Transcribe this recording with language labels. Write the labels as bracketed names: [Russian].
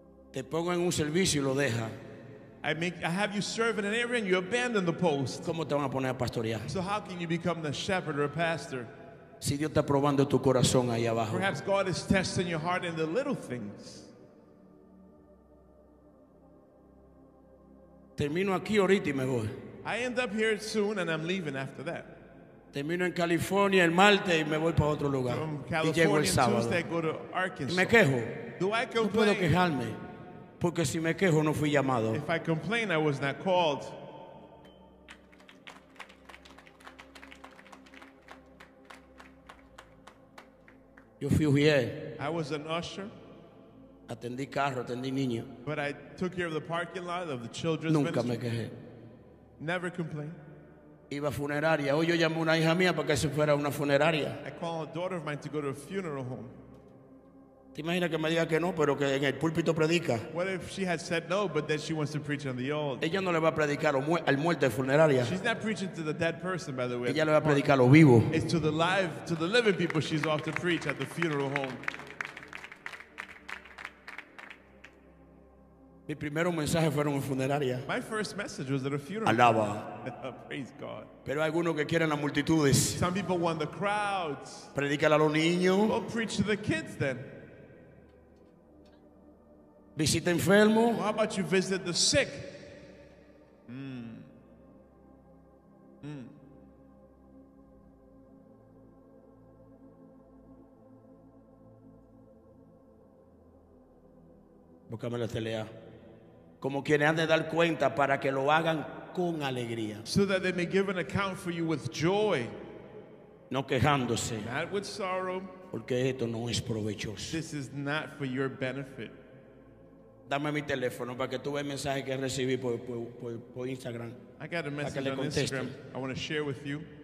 [Spanish] Te pongo en un servicio y lo deja. [English] I have you serve in an area and you abandon the post. [Spanish] ¿Cómo te van a poner a pastorear? [English] So how can you become the shepherd or a pastor? [Spanish] Si Dios está probando tu corazón ahí abajo. [English] Perhaps God is testing your heart in the little things. [Spanish] Termino aquí ahorita y me voy. [English] I end up here soon and I'm leaving after that. [Spanish] Termino en California el martes y me voy para otro lugar. [English] From California, [Spanish] y llego el sábado. [English] Tuesday, go to Arkansas. [Spanish] Y me quejo. [English] Do I complain? [Spanish] No puedo quejarme. Porque si me quejo no fui llamado. [English] If I complain, I was not called. [Spanish] Yo fui ujier. [English] I was an usher. [Spanish] Atendí carro, atendí niño. [English] But I took care of the parking lot of the children's [Spanish] Nunca [English] ministry. [Spanish] Me quejé. [English] Never complained. [Spanish] Iba a funeraria. Hoy yo llamé a una hija mía para que se fuera a una funeraria. [English] I called a daughter of mine to go to a funeral home. [Spanish] ¿Te imaginas que me diga que no, pero que en el púlpito predica? [English] What if she had said no, but then she wants to preach on the old? [Spanish] Ella no le va a predicar al muerto de funeraria. [English] She's not preaching to the dead person, by the way. [Spanish] Ella le va a predicar a los vivos. [English] It's to the living people she's off to preach at the funeral home. [Spanish] Mi primer mensaje fueron en funeraria. [English] My first message was at a funeral. [Spanish] Alaba. [English] Praise God. [Spanish] Pero hay algunos que quieren las multitudes. [English] Some people want the crowds. [Spanish] Predícale a los niños. [English] Go preach to the kids then. [Spanish] Visita enfermo. [English] Well, how about you visit the sick? [Spanish] Búscame la telea. Como quienes han de dar cuenta para que lo hagan con alegría. [English] So that they may give an account for you with joy. [Spanish] No quejándose. [English] Not with sorrow. [Spanish] Porque esto no es provechoso. [English] This is not for your benefit. [Spanish] Dame mi teléfono para que tú veas el mensaje que recibí por Instagram. [English] I got a message on Instagram I want to share with you.